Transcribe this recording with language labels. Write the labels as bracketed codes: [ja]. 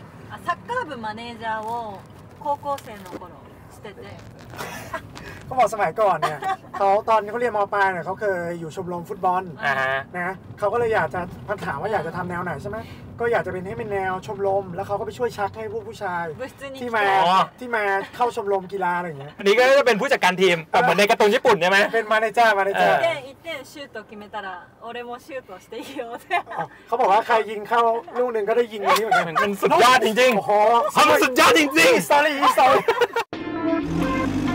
[ja] あ、サッカー部マネージャーを高校生の頃してて。 [th] ก็บอกสมัยก่อนเนี่ยเขาตอนเขาเรียนม.ปลายเนี่ยเขาเคยอยู่ชมรมฟุตบอลนะเขาก็เลยอยากจะพันถามว่าอยากจะทำแนวไหนใช่ไหมก็อยากจะเป็นให้เป็นแนวชมรมแล้วเขาก็ไปช่วยชักให้ผู้ชายที่มาเข้าชมรมกีฬาอะไรเงี้ยอัน นี้ก็จะเป็นผู้จัดการทีมแบบเหมือนในการ์ตูนญี่ปุ่นใช่ไหม เป็นมาเนเจอร์มาเนเจอร์ [ja] 1点シュート決めたら俺もシュートしていいよ [th] เขาบอกว่าใครยิงเข้าลูกหนึ่งก็ได้ยิงอันนี้เหมือนกัน มันสุดยอดจริงๆ โอ้โห มันสุดยอดจริง ๆสอรี่สอรี่